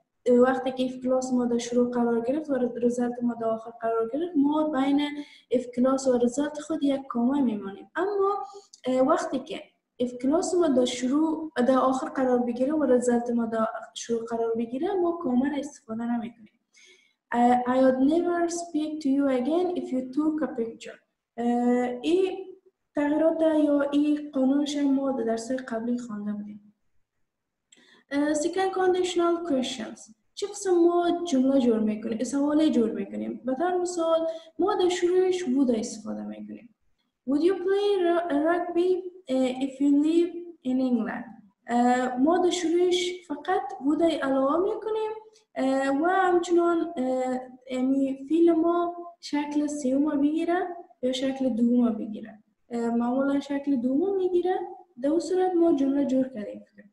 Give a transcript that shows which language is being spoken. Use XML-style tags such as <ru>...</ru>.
<fa>وقتی که if class ما در شروع قرار گرفت و result ما در آخر قرار گرفت ما بین if class و result خود یک کامه میمانیم. اما وقتی که if class ما در شروع در آخر قرار بگیره و result ما در شروع قرار بگیره ما کامه را استفاده نمی کنیم.</fa> <en>I would never speak to you again if you took a picture.</en> <fa>ای تغییرات یا ای قانونش ما در درس قبلی خوانده بودیم.</fa> <en>Second conditional questions.</en> <fa>چه قسم ما جمله جور میکنیم؟ سوال جور میکنیم. به طور مثال ما در شروعش would استفاده میکنیم.</fa> <en>Would you play rugby if you live in England?</en> <fa>ما در شروعش فقط بود علاوه میکنیم و همچنان یعنی فیل ما شکل سیوم بگیره یا شکل دوم بگیره. معمولا شکل دوم میگیره. در اون صورت ما جمله جور کردیم.</fa>